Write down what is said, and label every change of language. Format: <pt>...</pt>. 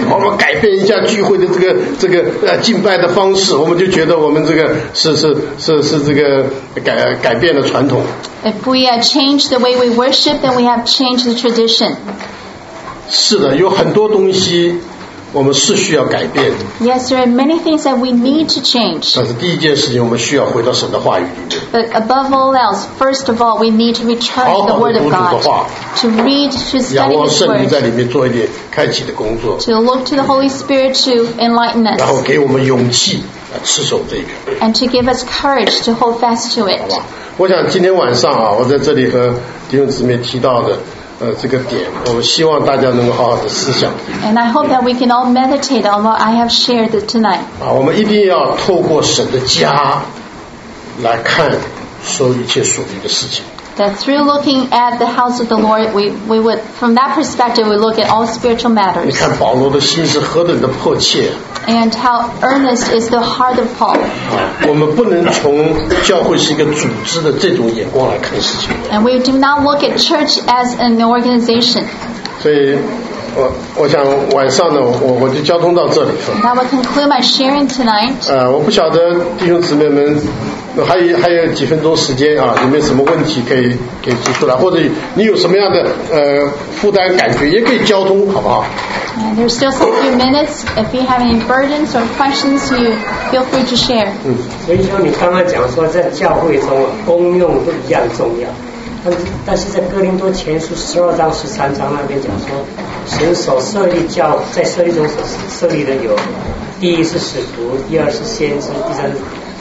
<zh>我们改变一下聚会的这个敬拜的方式，我们就觉得我们这个是这个改变了传统。</zh> <en>If we change the way we worship, then we have changed the tradition.</en> <zh>是的，有很多东西我们是需要改变。</zh> <en>Yes, there are many things that we need to change.</en> <zh>但是第一件事情，我们需要回到神的话语里面。</zh> <en>But above all else, first of all, we need to return to the Word of God.</en> <zh>好好读主的话。</zh> <en>To read, to study His word.</en> <zh>仰望圣灵在里面做一点开启的工作。</zh> <en>To look to the Holy Spirit to enlighten us.</en> <zh>然后给我们勇气来持守这个。</zh> <en>And to give us courage to hold fast to it.</en> <zh>我想今天晚上啊，我在这里和弟兄姊妹提到的。这个点，我们希望大家能够好好的思想。</zh> <en>And I hope that we can all meditate on what I have shared tonight.</en> <zh>啊，我们一定要透过神的家来看所有一切属灵的事情。</zh> <en>That through looking at the house of the Lord, we would from that perspective we look at all spiritual matters.</en> <zh>你看保罗的心是何等的迫切。</zh> <en>And how earnest is the heart of Paul?</en> <zh>我们不能从教会是一个组织的这种眼光来看事情。</zh> <en>And we do not look at church as an organization.</en> <zh>所以，我想晚上呢，我就交通到这里。</zh> <en>That will conclude my sharing tonight.</en> <zh>我不晓得弟兄姊妹们。还有几分钟时间啊，你们什么问题可以给提出来，或者你有什么样的负担感觉，也可以交通，好不好？</zh> <en>There's still some few minutes. If you have any burdens or questions, you feel free to share.</en> <zh>所以说你刚刚讲说在教会中功用都一样重要，但是在哥林多前书12章13章那边讲说，神所设立教在设立中所设立的有，第一是使徒，第二是先知，第三是。</zh>